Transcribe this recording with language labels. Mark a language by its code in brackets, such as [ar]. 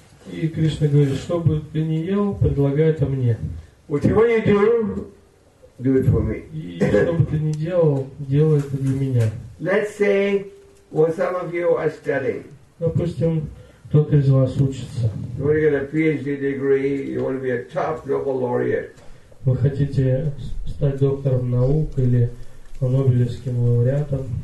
[ru] И Кришна говорит, что бы ты ни ел, предлагай это мне. [en] Do it for me. [ru] И что бы ты ни делал, делай это для меня. [en] Let's say, well, some of you are studying. [ru] Допустим, кто-то из вас учится. [en] You want to get a PhD degree, you want to be a top Nobel laureate. [ru] Вы хотите стать доктором наук или Нобелевским лауреатом.